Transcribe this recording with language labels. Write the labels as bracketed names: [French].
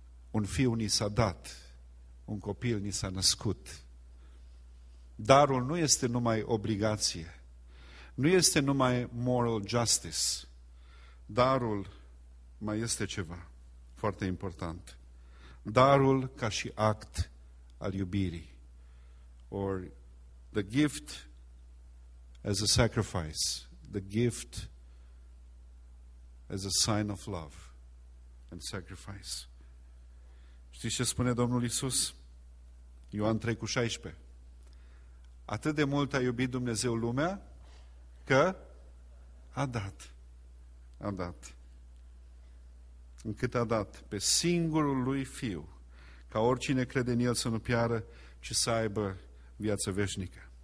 [Romanian] Un fiu ni s-a dat, un copil ni s-a născut. Darul nu este numai obligație, nu este numai [English] moral justice. [Romanian] Darul mai este ceva foarte important. Darul ca și act al iubirii. [English] Or the gift as a sacrifice, the gift as a sign of love and sacrifice. [Romanian] Știți ce spune Domnul Iisus? Ioan 3:16. Atât de mult a iubit Dumnezeu lumea că a dat. Încât a dat pe singurul lui Fiu, ca oricine crede în El să nu piară, ci să aibă viață veșnică.